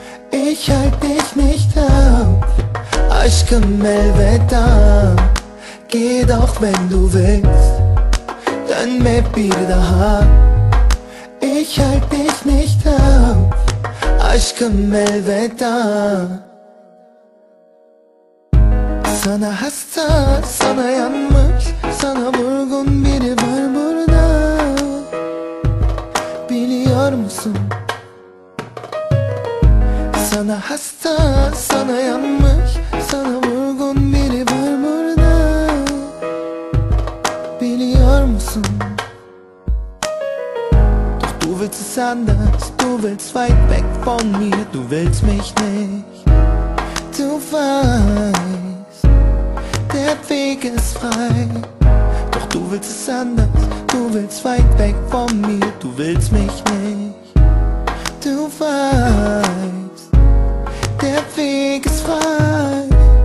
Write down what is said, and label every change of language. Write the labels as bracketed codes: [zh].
[de] Ich halt dich nicht ab, aschkem el wetam. Geh doch, wenn du willst, dann mit mir daheim. Ich halt dich nicht ab, aschkem el wetam. [tr] Sana hasta, sana yanmış, sana vurgun biri var burada. Biliyor musun? Sana hasta, sana yanmış, sana vurgun biri var burada. Biliyor musun? [de] Doch du willst es anders, du willst weit weg von mir, du willst mich nicht, du weißt. Der Weg ist frei, doch du willst es anders, du willst weit weg von mir, du willst mich nicht, du weißt, der Weg ist frei.